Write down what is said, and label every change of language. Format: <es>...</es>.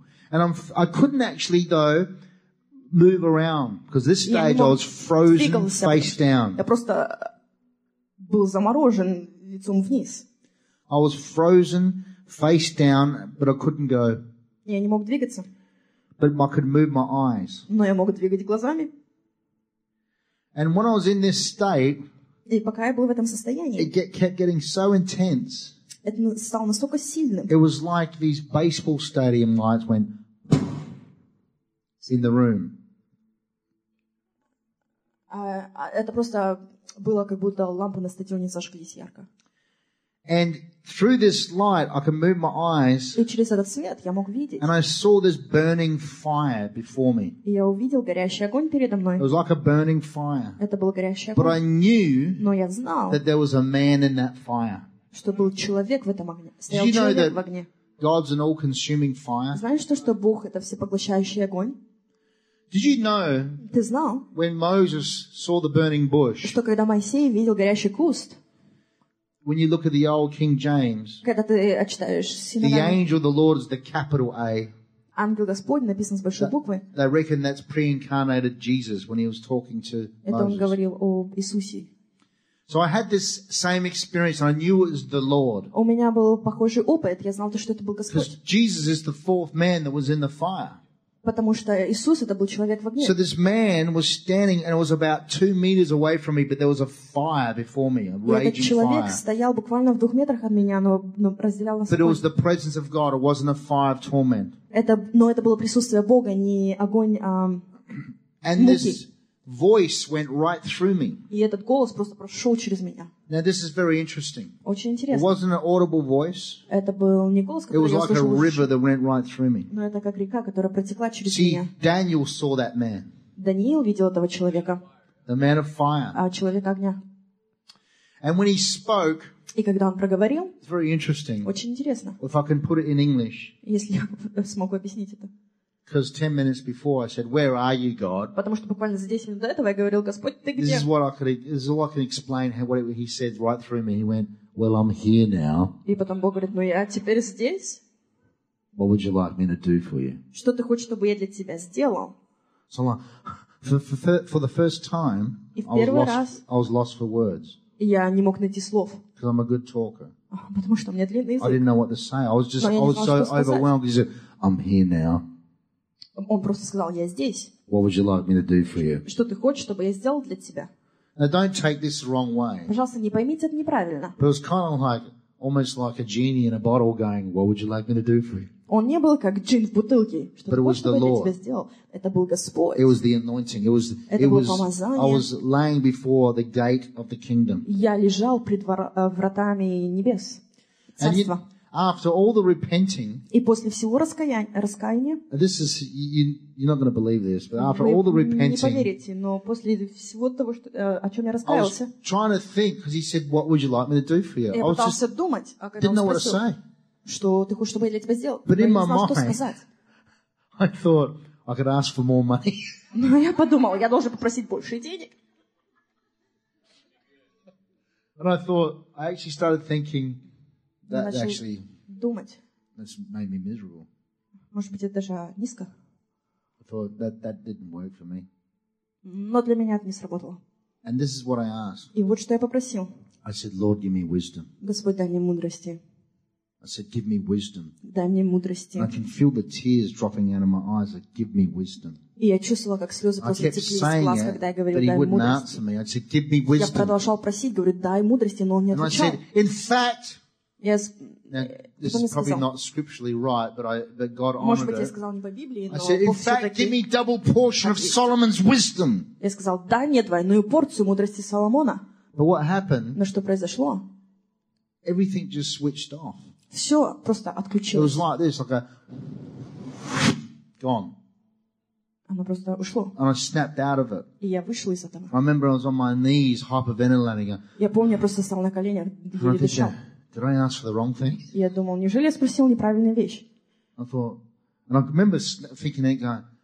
<en>And I couldn't actually, though, move around, because this stage I was frozen face down.</en> <ru>Я просто был заморожен лицом вниз.</ru> <en>I was frozen face down, but I couldn't go.</en> <ru>Я не мог двигаться.</ru> <en>But I could move my eyes.</en> <ru>Но я мог двигать глазами.</ru> <en>And when I was in this state,</en> <ru>и пока я был в этом состоянии,</ru> <en>it kept getting so intense.</en> <ru>Это стало настолько сильным.</ru> <en>It was like these baseball stadium lights went in the room.</en> <ru>Это просто было, как будто лампы на стадионе зажглись ярко.</ru> <en>And through this light, I could move my eyes.</en> <ru>И через этот свет я мог видеть.</ru> <en>And I saw this burning fire before me.</en> <ru>И я увидел горящий огонь передо мной.</ru> <en>It was like a burning fire.</en> <ru>Это был горящий огонь.</ru> <en>But I knew.</en> <ru>Но я знал.</ru> <en>That there was a man in that fire.</en> <ru>Что был человек в этом огне. Стоял человек в огне.</ru> <en>God's an all-consuming fire.</en> <ru>Знаешь, что Бог — это всепоглощающий огонь?</ru> <en>Did you know?</en> <ru>Ты знал?</ru> <en>When Moses saw the burning bush.</en> <ru>Что когда Моисей видел горящий куст?</ru> <en>When you look at the old King James.</en> <ru>Когда ты читаешь синодальный.</ru> <en>The angel of the Lord is the capital A.</en> <ru>Ангел Господень написан с большой буквы.</ru> <en>They reckon that's pre-incarnated Jesus when he was talking to Moses.</en> <ru>Это он говорил о Иисусе.</ru> <en>So I had this same experience. I knew it was the Lord.</en> <ru>У меня был похожий опыт. Я знал то, что это был Господь.</ru> <en>Because Jesus is the fourth man that was in the fire.</en> <ru>Потому что Иисус это был человек в огне.</ru> <en>So this man was standing, and it was about 2 meters away from me, but there was a fire before me, a raging fire.</en> <ru>Этот человек стоял буквально в 2 метрах от меня, но разделял нас.</ru> <en>But it was the presence of God. It wasn't a fire of torment.</en> <ru>Это было присутствие Бога, не огонь</ru> <en>And this voice went right through me.</en> <ru>И этот голос просто прошел через меня.</ru> <en>Now this is very interesting.</en> <ru>Очень интересно.</ru> <en>It wasn't an audible voice.</en> <ru>Это был не голос, который</ru> <en>It was like a river that went right through me.</en> <ru>Но это как река, которая протекла через</ru> <en>See,</en> <ru>меня.</ru> <en>See, Daniel saw that man.</en> <ru>Даниил видел этого человека.</ru> <en>The man of fire.</en> <ru>А человек огня.</ru> <en>And when he spoke.</en> <ru>И когда он проговорил.</ru> <en>It's very interesting.</en> <ru>Очень интересно.</ru> <en>If I can put it in English.</en> <ru>Если я смогу объяснить это.</ru> <en>Because 10 minutes before I said, "Where are you, God?"</en> <ru>Потому что буквально за 10 минут до этого я говорил, Господь, ты где?</ru> <en>This is what I could. This is what I can explain how what he said right through me. He went, "Well, I'm here now."</en> <ru>И потом Бог говорит, ну я теперь здесь.</ru> <en>What would you like me to do for you?</en> <ru>Что ты хочешь, чтобы я для тебя сделал?</ru> <en>So, for the first time, I was lost for words.</en> <ru>Я не мог найти слов.</ru> <en>Because I'm a good talker.</en> <ru>Потому что у меня длинный язык.</ru> <en>I didn't know what to say. I was just, I was so overwhelmed. He said, "I'm here now."</en> <ru>Он просто сказал, я здесь.</ru> <en>What would you like me to do for you?</en> <ru>Что ты хочешь, чтобы я сделал для тебя?</ru> <en>Now, don't take this the wrong way.</en> <ru>Пожалуйста, не поймите это неправильно.</ru> <en>But it was kind of like, almost like a genie in a bottle going, what would you like me to do for you?</en> <ru>Он не был как джин в бутылке. Что But ты хочешь, чтобы Lord. Я для тебя сделал? Это был Господь.</ru> <en>It was the anointing. It was,</en> <ru>это</ru> <en>it</en> <ru>было</ru> <en>was,</en> <ru>помазание.</ru> <en>I was laying before the gate of the kingdom.</en> <ru>Я лежал пред вратами небес. Царство.</ru> <en>After all the repenting,</en> <ru>и после всего раскаяния,</ru> <en>this is you're not going to believe this, but after all the repenting,</en> <ru>не поверите, но после всего того, что, о чем я раскаялся,</ru> <en>I was trying to think because he said, "What would you like me to do for you?"</en> <ru>Я пытался думать, а когда он спросил,</ru> <en>didn't know what to say.</en> <ru>Что ты хочешь, чтобы я для тебя сделал?</ru> <en>But in my mind,</en> <ru>что сказать.</ru> <en>I thought I could ask for more money.</en> <ru>Но я подумал, я должен попросить больше денег.</ru> <en>And I thought I actually started thinking. That actually</en> <ru>думать.</ru> <en>Made me miserable.</en> <ru>Может быть, это даже низко.</ru> <en>I thought that didn't work for me.</en> <ru>Но для меня это не сработало.</ru> <en>And this is what I asked.</en> <ru>И вот что я попросил.</ru> <en>I said, Lord, give me wisdom.</en> <ru>Господь, дай мне мудрости.</ru> <en>I said, give me wisdom.</en> <ru>Дай мне мудрости.</ru> <en>And I can feel the tears dropping out of my eyes. Like, give me wisdom.</en> <ru>И я чувствовала, как слезы просто теплились в глаз, когда я говорил, дай мудрости.</ru> <en>Me. I said, give me wisdom.</en> <ru>Я продолжал просить, говорю, дай мудрости, но он не отвечал.</ru> <en>And I said, in fact. Yes. Now, this is probably not scripturally right, but God honored.</en> <ru>Может быть, я сказал не по Библии, но</ru> <en>I said, in fact, give me double portion of Solomon's wisdom.</en> <ru>Я сказал, дай мне двойную порцию мудрости Соломона.</ru> <en>But what happened?</en> <ru>Но что произошло?</ru> <en>Everything just switched off.</en> <ru>Все просто отключилось.</ru> <en>It was like this, like a gone.</en> <ru>Оно просто ушло.</ru> <en>And I snapped out of it.</en> <ru>И я вышел из этого.</ru> <en>I remember I was on my knees, hyperventilating.</en> <ru>Я помню, я просто стал на коленях, еле дышал.</ru> <en>Did I ask for the wrong thing?</en> <ru>Я думал, неужели я спросил неправильную вещь?</ru> <en>I thought, and I remember thinking that guy.</en>